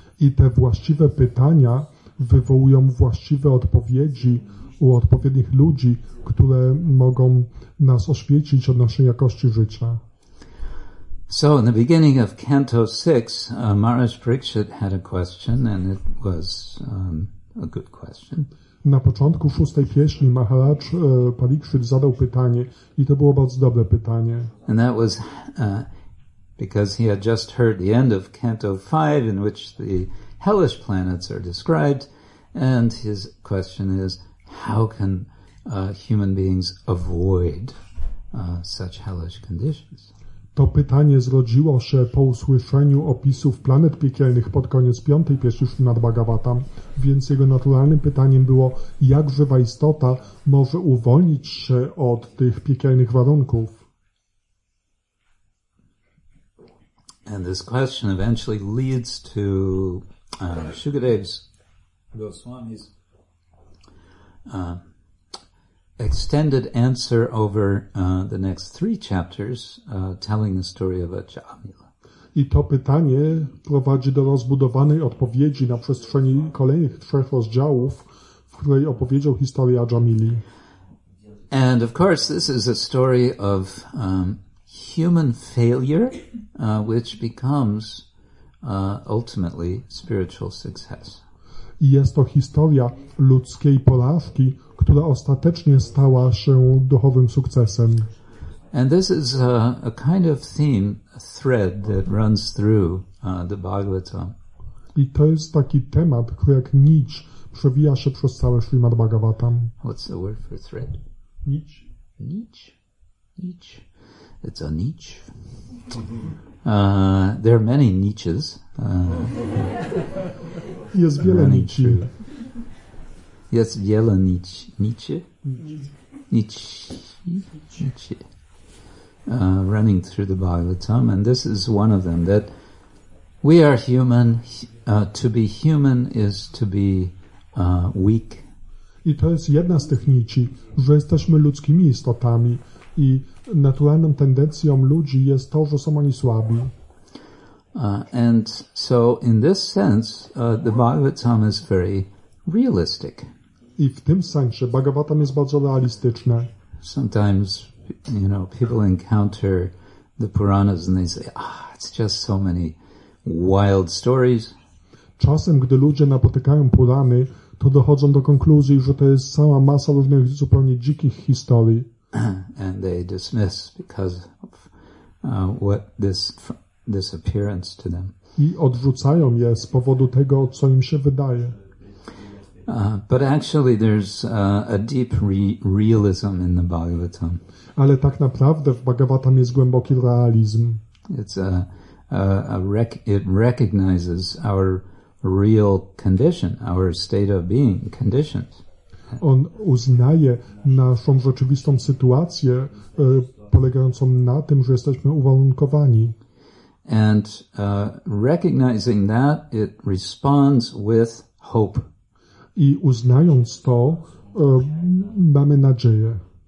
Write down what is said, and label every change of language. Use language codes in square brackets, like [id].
[pl] I te właściwe pytania wywołują właściwe odpowiedzi u odpowiednich ludzi, które mogą nas oświecić od naszej jakości życia. [en] So in the beginning of Canto 6, Maharaj Parikshit had a question, and it was a good question. [pl] Na początku szóstej pieśni Maharaj Parikshit zadał pytanie, i to było bardzo dobre pytanie. [en] And that was because he had just heard the end of Canto 5, in which the hellish planets are described, and his question is, how can human beings avoid such hellish conditions. [pl] To pytanie zrodziło się po usłyszeniu opisów planet piekielnych pod koniec piątej pieśni Śrimad Bhagavatam, więc jego naturalnym pytaniem było, jak żywa istota może uwolnić się od tych piekielnych warunków. [en] And this question eventually leads to Shukadev's Goswami's extended answer over the next three chapters, telling the story of Acharamila. [pl] I to pytanie prowadzi do rozbudowanej odpowiedzi na przestrzeni kolejnych trzech rozdziałów, w której opowiedział historię Acharamili. [en] And of course, this is a story of human failure, which becomes ultimately spiritual success. [pl] I jest to historia ludzkiej porażki, która ostatecznie stała się duchowym sukcesem. [en] And this is a kind of theme, a thread that runs through the Bhagavatam. [pl] I to jest taki temat, który jak nić przewija się przez cały Śrimad Bhagavatam. [en] What's the word for thread? [pl] Nić. [en] Nić. Nić. It's a nić. There are many niches. [pl] Jest wiele niczy. Jest wiele niczy. Niczy. [en] Running through the Bhagavatam. And this is one of them, that we are human. To be human is to be weak. [pl] I to jest jedna z tych niczy, że jesteśmy ludzkimi istotami i naturalną tendencją ludzi jest to, że są oni słabi. [en] And so in this sense, the Bhagavatam is very realistic. [pl] I w tym sensie Bhagavatam jest bardzo realistyczne. [en] Sometimes, you know, people encounter the Puranas and they say, it's just so many wild stories. [pl] Czasem, gdy ludzie napotykają Purany, to dochodzą do konkluzji, że to jest cała masa różnych zupełnie dzikich historii. [en] And they dismiss because of what this appearance to them. [pl] I odrzucają je z powodu tego, co im się wydaje. [en] But actually there's a deep realism in the Bhagavatam. [pl] Ale tak naprawdę w Bhagavatam jest głęboki realizm. [en] It's it recognizes our real condition, our state of being, conditions. [pl] On uznaje naszą rzeczywistą sytuację polegającą na tym, że jesteśmy uwarunkowani. [en] And recognizing that, it responds with hope. [pl] I uznając to, mamy nadzieję.